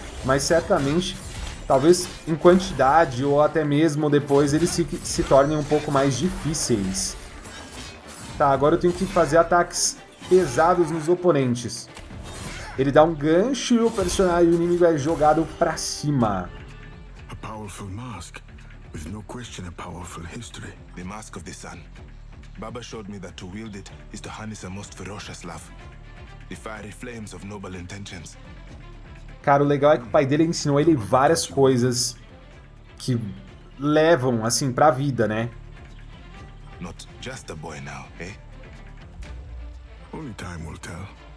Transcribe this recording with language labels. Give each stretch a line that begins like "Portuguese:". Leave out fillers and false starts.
Portuguese: Mas certamente, talvez em quantidade ou até mesmo depois, eles se tornem um pouco mais difíceis. Tá, agora eu tenho que fazer ataques pesados nos oponentes. Ele dá um gancho e o personagem inimigo é jogado pra cima. Uma poderosa máscara, sem dúvida uma poderosa história. A máscara do sol.
English: Baba showed me that to wield it is to harness a most ferocious love. The fiery flames of noble intentions.
Portuguese: Cara, o legal é que o pai dele ensinou ele várias coisas que levam assim pra vida, né?
English: Not just a boy now, eh? Only time will tell.